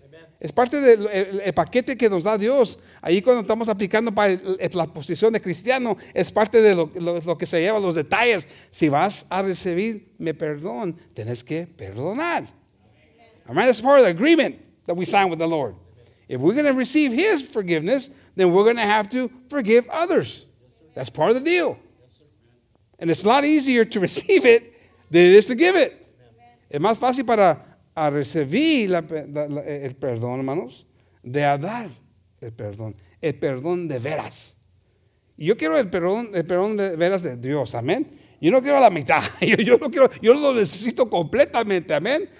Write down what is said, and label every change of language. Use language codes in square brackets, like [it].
[es] Amen. Es parte del el paquete que nos da Dios. Ahí cuando estamos aplicando para la posición de cristiano, es parte de lo que se lleva, los detalles. Si vas a recibir mi perdón, tenés que perdonar. Amen. [en] Amen. It's part of the agreement that we sign with the Lord. Amen. If we're going to receive His forgiveness, then we're going to have to forgive others. Yes, that's part of the deal. And it's a lot easier to receive it than it is to give it. [es] Es más fácil para recibir el perdón, hermanos, de dar el perdón de veras. Yo quiero el perdón de veras de Dios, amén. Yo no quiero la mitad, yo lo necesito completamente, amén.